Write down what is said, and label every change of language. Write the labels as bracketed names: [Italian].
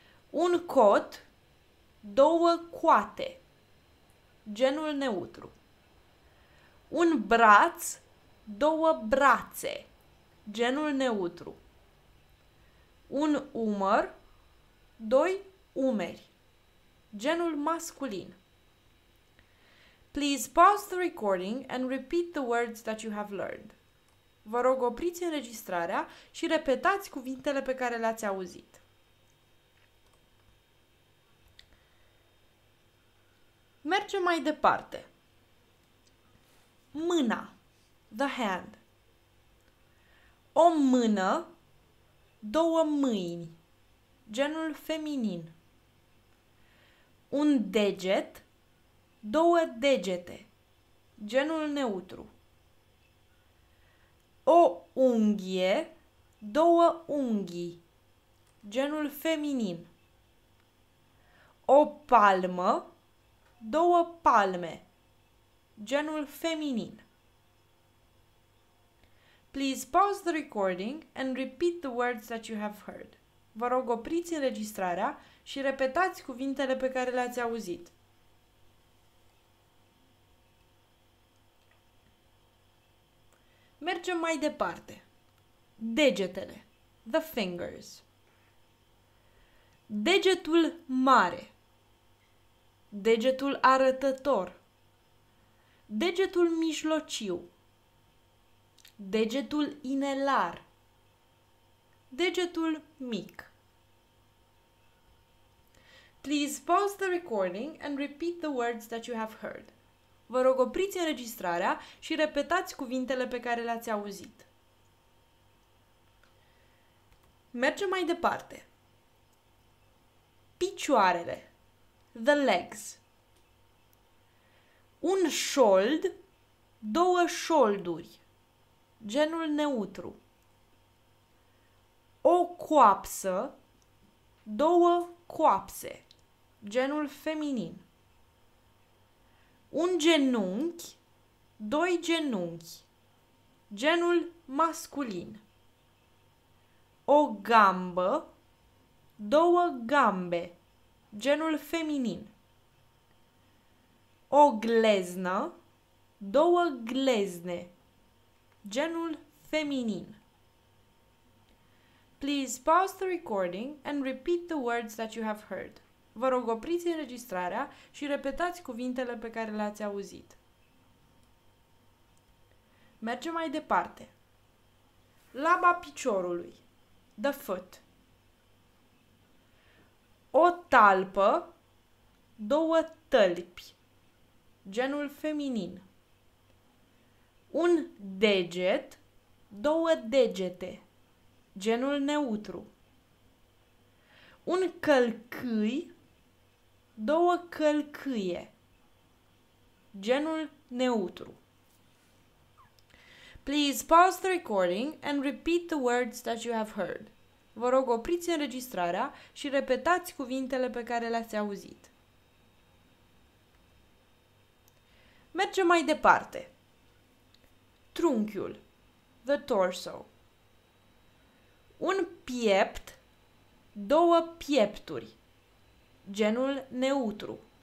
[Romanian] Un cot, 2 coate, genul neutru. Un braț, 2 brațe, genul neutru. Un umăr, 2 umeri, genul masculin. [English] Please pause the recording and repeat the words that you have learned. [Romanian] Vă rog, opriți înregistrarea și repetați cuvintele pe care le-ați auzit. Mergem mai departe. Mâna, the hand. O mână, 2 mâini, genul feminin. Un deget, 2 degete, genul neutru. O unghie, 2 unghii, genul feminin. O palmă, 2 palme, genul feminin. [English] Please pause the recording and repeat the words that you have heard. [Romanian] Vă rog, opriți înregistrarea și repetați cuvintele pe care le-ați auzit. Mergem mai departe. Degetele, the fingers. Degetul mare. Degetul arătător. Degetul mijlociu. Degetul inelar. Degetul mic. [English] Please pause the recording and repeat the words that you have heard. [Romanian] Vă rog, opriți înregistrarea și repetați cuvintele pe care le-ați auzit. Mergem mai departe. Picioarele. The legs. Un șold, 2 șolduri, genul neutru. O coapsă, 2 coapse, genul feminin. Un genunchi, 2 genunchi, genul masculin. O gambă, 2 gambe, genul feminin. O gleznă, 2 glezne, genul feminin. [English] Please pause the recording and repeat the words that you have heard. [Romanian] Vă rog, opriți înregistrarea și repetați cuvintele pe care le-ați auzit. Mergem mai departe. Laba piciorului, the foot. O talpă, 2 tălpi, genul feminin. Un deget, 2 degete, genul neutru. Un călcâi, două călcâie. Genul neutru. [English] Please pause the recording and repeat the words that you have heard. [Romanian] Vă rog, opriți înregistrarea și repetați cuvintele pe care le-ați auzit. Mergem mai departe. Trunchiul, the torso. Un piept, două piepturi, genul neutru.